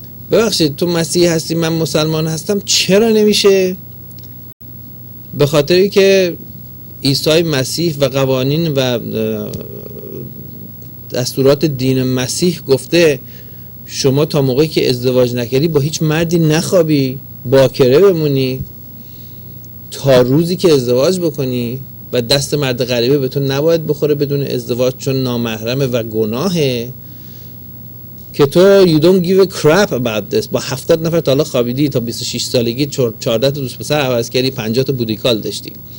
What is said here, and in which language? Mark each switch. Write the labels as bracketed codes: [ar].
[fa] ببخشید، تو مسیحی هستی من مسلمان هستم، چرا نمیشه؟ به خاطر ای که عیسی مسیح و قوانین و دستورات دین مسیح گفته شما تا موقعی که ازدواج نکردی با هیچ مردی نخوابی، باکره بمونی تا روزی که ازدواج بکنی و دست مرد غریبه به تو نباید بخوره بدون ازدواج، چون نامحرمه و گناهه. که تو [en] you don't give a crap about this. [fa] با 70 نفر تا حالا خوابیدی، تا 26 سالگی 14 تا دوست پسر عوض کردی، 50 تا بودیکال داشتی.